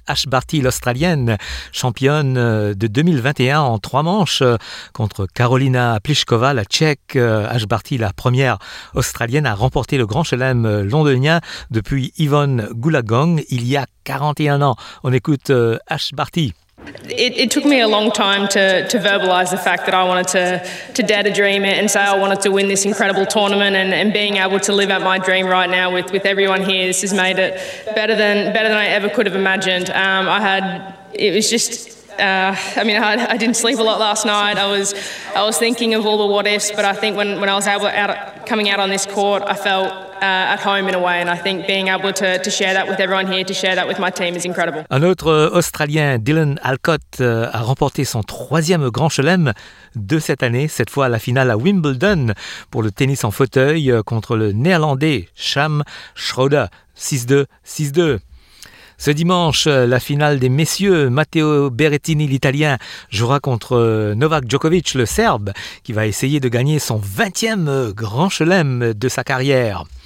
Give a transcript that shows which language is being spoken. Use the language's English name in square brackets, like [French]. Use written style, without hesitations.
[French] Ash Barty, l'Australienne, championne de 2021 en trois manches contre Karolina Plíšková, la Tchèque. Ash Barty, la première Australienne à remporter le grand chelem londonien depuis Yvonne Goolagong il y a 41 ans. On écoute Ash Barty. [English] It took me a long time to verbalize the fact that I wanted to dare to dream it and say I wanted to win this incredible tournament and being able to live out my dream right now with everyone here. This has made it better than I ever could have imagined. I didn't sleep a lot last night. I was thinking of all the what ifs, but I think when I was coming out on this court, I felt at home in a way, and I think being able to share that with everyone here, to share that with my team is incredible. [French] Un autre Australien, Dylan Alcott, a remporté son troisième grand chelem de cette année, cette fois à la finale à Wimbledon pour le tennis en fauteuil contre le Néerlandais Sham Schroeder, 6-2, 6-2. Ce dimanche, la finale des messieurs, Matteo Berrettini, l'italien, jouera contre Novak Djokovic, le serbe, qui va essayer de gagner son 20e grand chelem de sa carrière.